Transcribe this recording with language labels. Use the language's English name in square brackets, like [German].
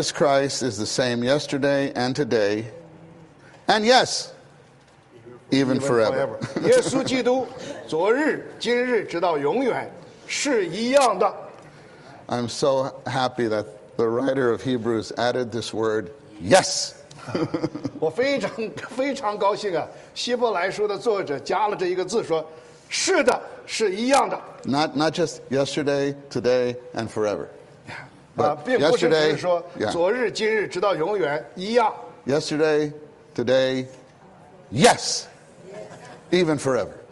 [English] Jesus Christ is the same yesterday and today, and yes, even forever. [Chinese] 耶稣基督，昨日、今日，直到永远。是一样的。 [English] I'm so happy that the writer of Hebrews added this word, yes. [Chinese] 我非常非常高兴啊！希伯来书的作者加了这一个字，说是的，是一样的。 [English] Not just yesterday, today, and forever. [Chinese] 啊，并不是只是说昨日、今日，直到永远一样。 [English] Yesterday, today, yes, even forever.